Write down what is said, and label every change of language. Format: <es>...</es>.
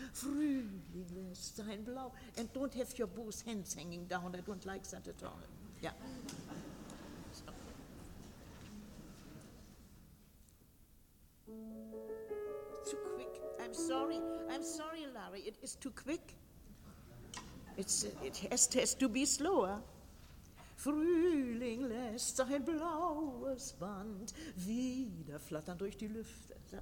<de>Frühling lässt sein Blau.</de> <en>And don't have your both hands hanging down. I don't like that at all. Yeah. Too quick. I'm sorry, Larry. It is too quick. It has to be slower.</en> <de>Frühling lässt sein blaues Band wieder flattern durch die Lüfte.</de>